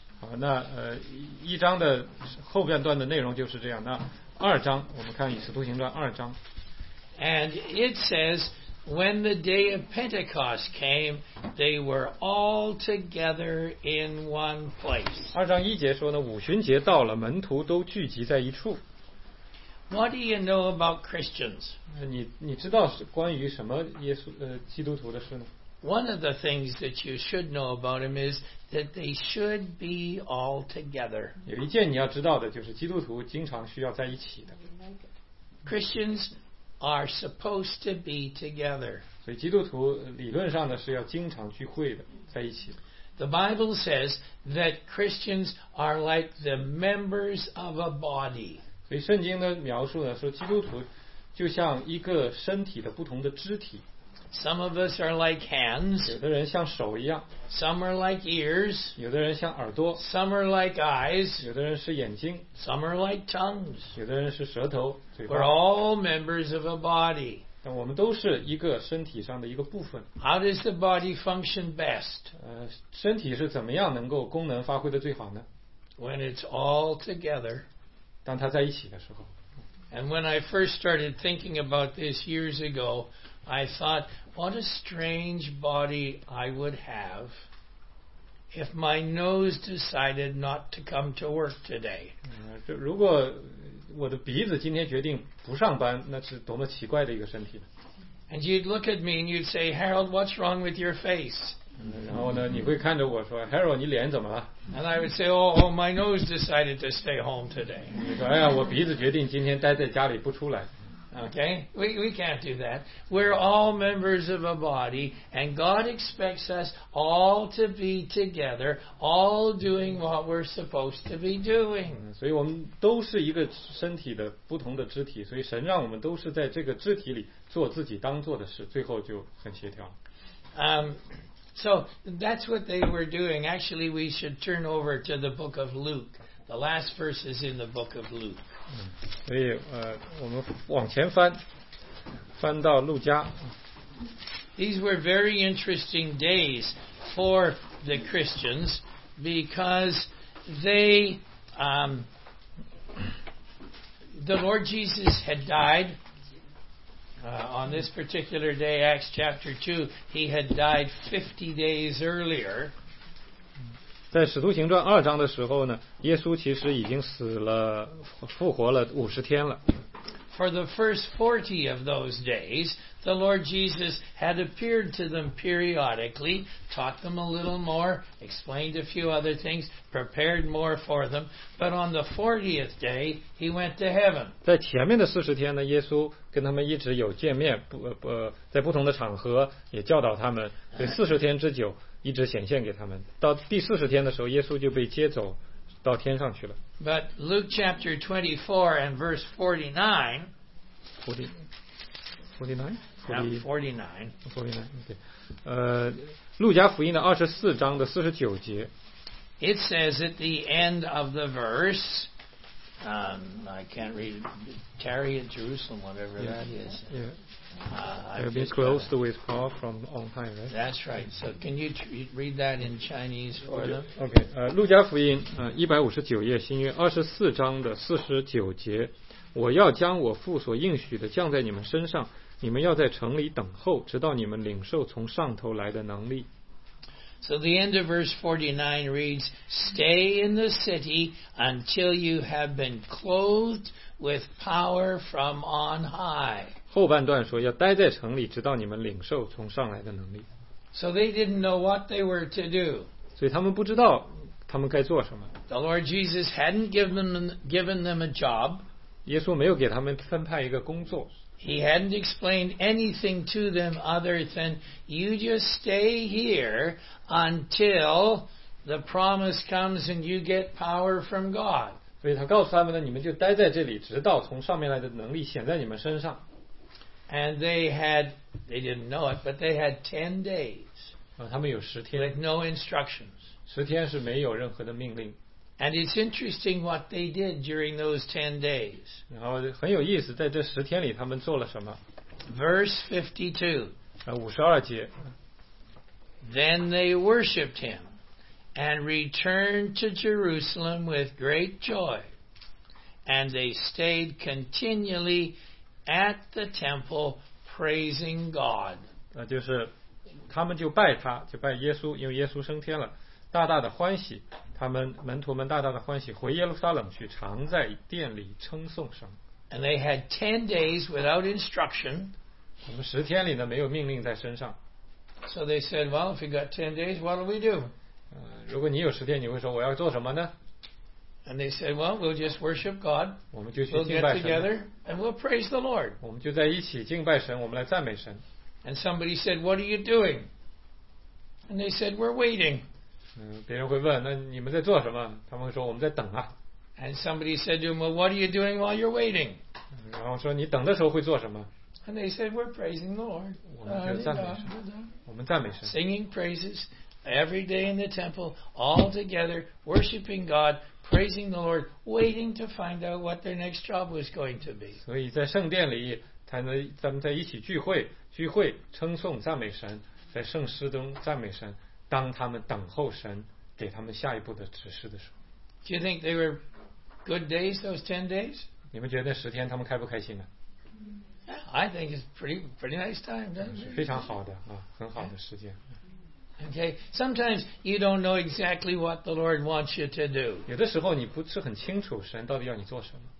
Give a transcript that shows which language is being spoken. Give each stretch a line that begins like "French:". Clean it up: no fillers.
Chinese: 好，那一章的后半段的内容就是这样。那二章，我们看《以使徒行传》二章。
English: And it says. When the day of Pentecost came, they were all together in one place.
Chinese: 二章一节说呢，五旬节到了，门徒都聚集在一处。
English: What do you know about Christians?
Chinese: 你知道关于什么耶稣基督徒的事呢？
English: One of the things that you should know about him is that they should be all together.
Chinese: 有一件你要知道的就是基督徒经常需要在一起的。
English: Christians are supposed to be together.
Chinese: 所以基督徒理论上呢是要经常聚会的，在一起的。
English: The Bible says that Christians are like the members of a body.
Chinese: 所以圣经的描述呢，说基督徒就像一个身体的不同的肢体。
English: Some of us are like hands.
Chinese: 有的人像手一样。
English: Some are like ears.
Chinese: 有的人像耳朵。
English: Some are like eyes.
Chinese: 有的人是眼睛。
English: Some are like tongues.
Chinese: 有的人是舌头，嘴巴。
English: We're all members of a body.
Chinese: 但我们都是一个身体上的一个部分。
English: How does the body function best?
Chinese: 身体是怎么样能够功能发挥的最好呢？
English: When it's all together.
Chinese: 当它在一起的时候。
English: And when I first started thinking about this years ago, I thought, what a strange body I would have if my nose decided not to come to work today.
Chinese: 如果我的鼻子今天决定不上班，那是多么奇怪的一个身体。
English: And you'd look at me and you'd say, Harold, what's wrong with your face?
Chinese: 然后呢，你会看着我说 ，Harold， 你脸怎么了？
English: And I would say, oh, my nose decided to stay home today.
Chinese: 你说，哎呀，我鼻子决定今天待在家里不出来。
English: Okay, we can't do that. We're all members of a body, and God expects us all to be together, all doing what we're supposed to be doing.
Chinese: 所以我们都是一个身体的不同的肢体，所以神让我们都是在这个肢体里做自己当做的事，最后就很协调。
English: So that's what they were doing. Actually, we should turn over to the book of Luke. The last verse is in the book of Luke.
Chinese: 所以我们往前翻，翻到路加。
English: These were very interesting days for the Christians because they, the Lord Jesus had died. On this particular day, Acts chapter 2, he had died 50 days earlier.
Chinese: 在《使徒行传》二章的时候呢，耶稣其实已经死了，复活了50天了。
English: For the first 40 of those days, the Lord Jesus had appeared to them periodically, taught them a little more, explained a few other things, prepared more for them. But on the 40th day, he went to heaven.
Chinese: 在前面的40天呢，耶稣跟他们一直有见面，在不同的场合也教导他们，所以40天之久一直显现给他们。到第40天的时候，耶稣就被接走到天上去了。
English: But Luke chapter 24 and verse 49,
Chinese: 路加福音的24章的49节。
English: It says at the end of the verse, I can't read, tarry at Jerusalem, whatever I've been close to withdraw from on high, right? That's right. So can you read that in Chinese for them? Okay.
Chinese: 路加福音159页新约24章的49节，我要将我父所应许的降在你们身上，你们要在城里等候，直到你们领受从上头来的能力。
English: So the end of verse 49 reads, stay in the city until you have been clothed with power from on high.
Chinese: 后半段说要待在城里，直到你们领受从上来的能力。
English: So they didn't know what they were to do.
Chinese: 所以他们不知道他们该做什么。
English: The Lord Jesus hadn't given them a job.
Chinese: 耶稣没有给他们分派一个工作。
English: He hadn't explained anything to them other than you just stay here until the promise comes and you get power from God.
Chinese: 所以他告诉他们呢，你们就待在这里，直到从上面来的能力显在你们身上。
English: And they didn't know it, but they had 10 days.
Chinese: 他们有十天。
English: With no instructions.
Chinese: 十天是没有任何的命令。
English: And it's interesting what they did during those 10 days.
Chinese: 然后很有意思，在这十天里他们做了什么。
English: Verse 52.
Chinese: 52节。
English: Then they worshipped him and returned to Jerusalem with great joy. And they stayed continually at the temple praising God.
Chinese: 就是他们就拜他，就拜耶稣，因为耶稣升天了。大大的欢喜，他们门徒们大大的欢喜，回耶路撒冷去，常在殿里称颂神。
English: And they had 10 days without instruction.
Chinese: 我们十天里呢没有命令在身上。
English: So they said, well, if you got 10 days, what will we do?
Chinese: 如果你有十天，你会说我要做什么呢？
English: And they said, well, we'll just worship God.
Chinese: 我们就去敬拜神。
English: We'll get together and we'll praise the Lord.
Chinese: 我们就在一起敬拜神，我们来赞美神。
English: And somebody said, what are you doing? And they said, we're waiting.
Chinese: 别人会问，那你们在做什么？他们会说我们在等啊。
English: And somebody said to him, well, what are you doing while you're waiting?
Chinese: 然后说你等的时候会做什么？
English: And they said, we're praising the Lord.
Chinese: 我们就赞美神。我们赞美神。
English: Singing praises every day in the temple, all together, worshiping God. Praising the Lord, waiting to find out what their next job was going to be.
Chinese: 所以在圣殿里，才能咱们在一起聚会，聚会称颂赞美神，在圣诗中赞美神。当他们等候神给他们下一步的指示的时候
English: ，Do you think they were good days those 10 days?
Chinese: 你们觉得十天他们开不开心呢
English: ？I think it's pretty nice time.
Chinese: 非常好的啊，很好的时间。
English: Okay, sometimes you don't know exactly what the Lord wants you to do.
Chinese: 有的时候你不是很清楚神到底要你做什么。